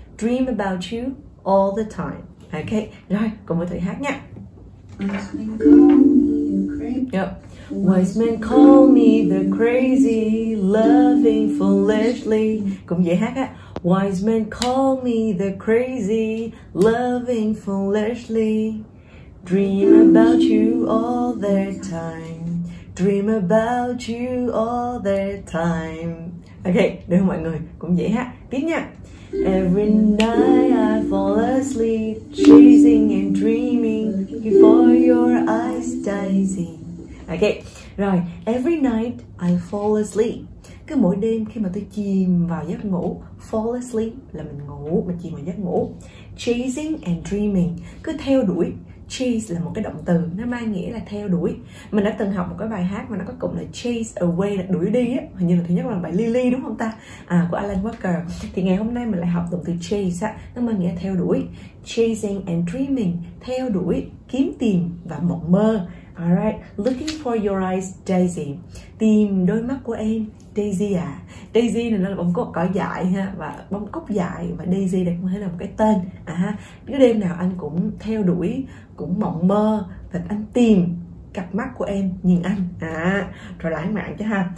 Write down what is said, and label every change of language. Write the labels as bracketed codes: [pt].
[en] Dream about you all the time. [vi] Ok, rồi, cùng với Thủy hát nha. [en] Wise men call me the crazy, loving foolishly. [vi] Cùng dễ hát á. [en] Wise men call me the crazy, loving foolishly. Dream about you all the time. Dream about you all the time. [vi] Ok, được mọi người, cùng dễ hát, tiếp nha. [en] Every night I fall asleep, chasing and dreaming before your eyes dancing. [vi] Ok, rồi. [en] Every night I fall asleep. [vi] Cứ mỗi đêm khi mà tôi chìm vào giấc ngủ, [en] fall asleep [vi] là mình ngủ, mình chìm vào giấc ngủ. [en] Chasing and dreaming, [vi] cứ theo đuổi. Chase là một cái động từ, nó mang nghĩa là theo đuổi. Mình đã từng học một cái bài hát mà nó có cụm là [en] chase away, [vi] là đuổi đi á. Hình như là thứ nhất là bài Lily đúng không ta? Của Alan Walker. Thì ngày hôm nay mình lại học động từ chase á, nó mang nghĩa theo đuổi. [en] Chasing and dreaming, [vi] theo đuổi, kiếm tìm và mộng mơ. [en] Alright, looking for your eyes, Daisy. [vi] Tìm đôi mắt của em, Daisy à. Daisy này nó là bông cúc cỏ dại ha, và bông cúc dại, và Daisy đây cũng hay là một cái tên. Cứ đêm nào anh cũng theo đuổi, cũng mộng mơ, và anh tìm cặp mắt của em nhìn anh. Rồi lãng mạn chứ ha.